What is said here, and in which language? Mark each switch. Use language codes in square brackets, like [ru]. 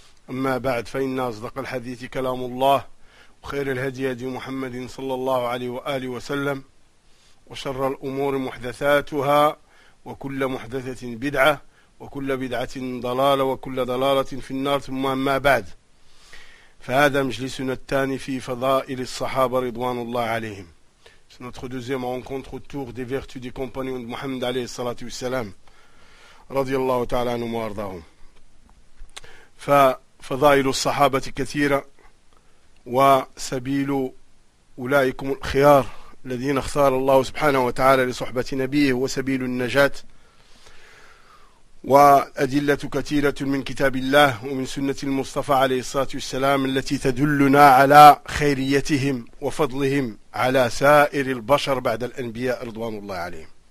[ar] أما بعد، فإن أصدق الحديث كلام الله، خير الهدي هدي محمد صلى الله عليه وآله وسلم، وشر الأمور محدثاتها، وكل محدثة بدعة، وكل بدعة ضلالة، وكل ضلالة في النار. ثم ما بعد، فهذا مجلسنا الثاني في فضائل الصحابة رضوان الله عليهم. [fr] C'est notre deuxième rencontre autour des vertus des compagnons de Mohammed [ar] عليه الصلاة والسلام رضي الله تعالى عنهم وأرضاهم. ففضائل الصحابة كثيرة، وسبيل أولئكم الخيار الذين اختار الله سبحانه وتعالى لصحبة نبيه وسبيل النجاة، وأدلة كثيرة من كتاب الله ومن سنة المصطفى عليه الصلاة والسلام التي تدلنا على خيريتهم وفضلهم على سائر البشر بعد الأنبياء رضوان الله عليهم.